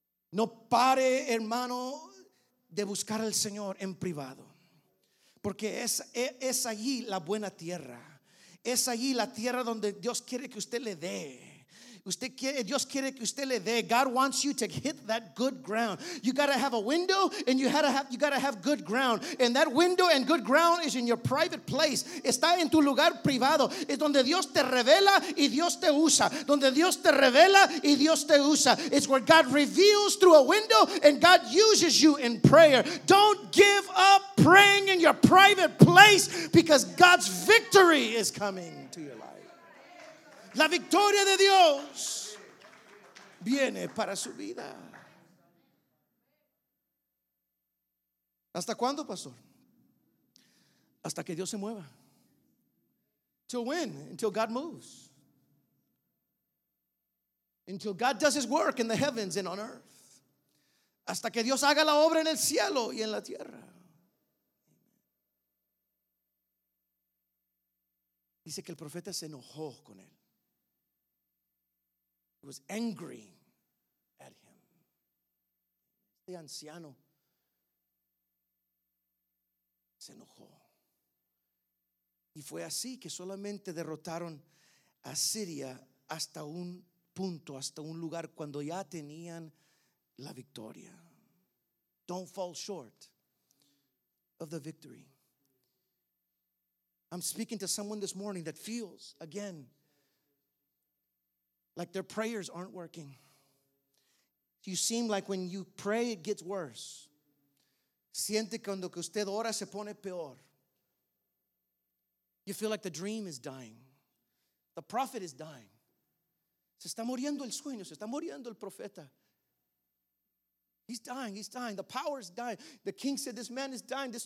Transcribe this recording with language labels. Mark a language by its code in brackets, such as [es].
[es] No pare, hermano, de buscar al Señor en privado, porque es allí la buena tierra, es allí la tierra donde Dios quiere que usted le dé. Usted quiere, Dios quiere que usted le dé. [en] God wants you to hit that good ground. You gotta have a window and you gotta have good ground. And that window and good ground is in your private place. [es] Está en tu lugar privado. Es donde Dios te revela y Dios te usa. Donde Dios te revela y Dios te usa. [en] It's where God reveals through a window and God uses you in prayer. Don't give up praying in your private place because God's victory is coming to your life. [es] La victoria de Dios viene para su vida. ¿Hasta cuándo, pastor? Hasta que Dios se mueva. [en] Till when? Until God moves. Until God does his work in the heavens and on earth. [es] Hasta que Dios haga la obra en el cielo y en la tierra. Dice que el profeta se enojó con él. [en] Was angry at him. [es] Este anciano se enojó. Y fue así que solamente derrotaron a Siria hasta un punto, hasta un lugar cuando ya tenían la victoria. [en] Don't fall short of the victory. I'm speaking to someone this morning that feels again like their prayers aren't working. You seem like when you pray, it gets worse. [es] Siente cuando que usted ora se pone peor. [en] You feel like the dream is dying. The prophet is dying. [es] Se está muriendo el sueño, se está muriendo el profeta. [en] He's dying, he's dying. The power is dying. The king said, this man is dying.